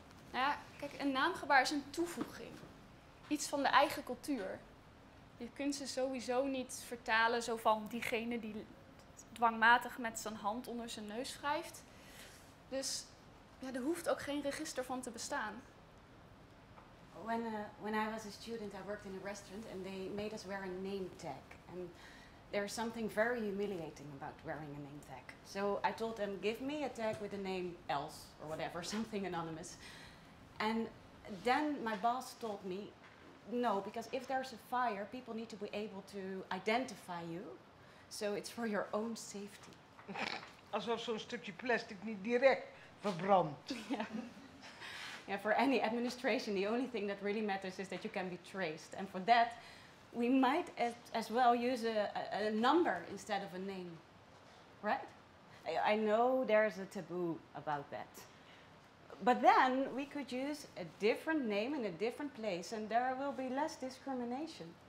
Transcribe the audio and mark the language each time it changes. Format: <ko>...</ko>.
<nl>Nou ja, kijk, een naamgebaar is een toevoeging. Iets van de eigen cultuur. Je kunt ze sowieso niet vertalen zo van diegene die dwangmatig met zijn hand onder zijn neus schrijft. Dus ja, er hoeft ook geen register van te bestaan.</nl> <en>When I was a student, I worked in a restaurant and they made us wear a name tag. And there's something very humiliating about wearing a name tag. So I told them, give me a tag with the name Else or whatever, something anonymous. And then my boss told me, no, because if there's a fire, people need to be able to identify you. So it's for your own safety.</en> <nl>Alsof zo'n stukje plastic niet direct verbrandt.</nl> <en>Yeah, for any administration, the only thing that really matters is that you can be traced. And for that, we might as well use a number instead of a name, right? I know there's a taboo about that. But then we could use a different name in a different place and there will be less discrimination.</en>